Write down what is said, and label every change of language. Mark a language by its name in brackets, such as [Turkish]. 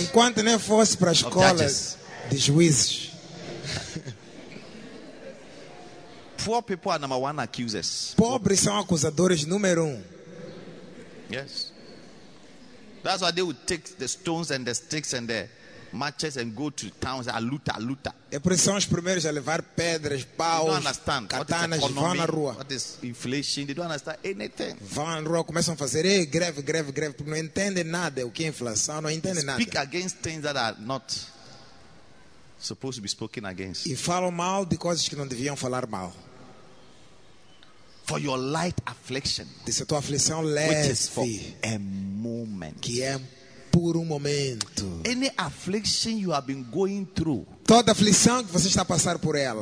[Portuguese] Enquanto não fosse para escolas de juízes. [English] Poor people are number one accusers. [Portuguese] Pobres são acusadores número um. [English] Yes. That's why they would take the stones and the sticks and the matches and go to towns and [Portuguese] luta, luta. É por isso são os primeiros a levar pedras, paus, [English] understand. [Portuguese] Katanas, [English] what is [Portuguese] vão na rua. [English] What is inflation? They don't understand anything. [Portuguese] Vão na rua, começam a fazer greve, greve, greve, porque não entendem nada o que é inflação, não entendem nada. [English] Speak against things that are not supposed to be spoken against. [Portuguese] E falam mal de coisas que não deviam falar mal. [English] For your light affliction, [Portuguese] disse a tua aflição leve, [English] which is for a moment, [Portuguese] que é por momento. [English] Any affliction you have been going through, [Portuguese] toda aflição que você está a passar por ela,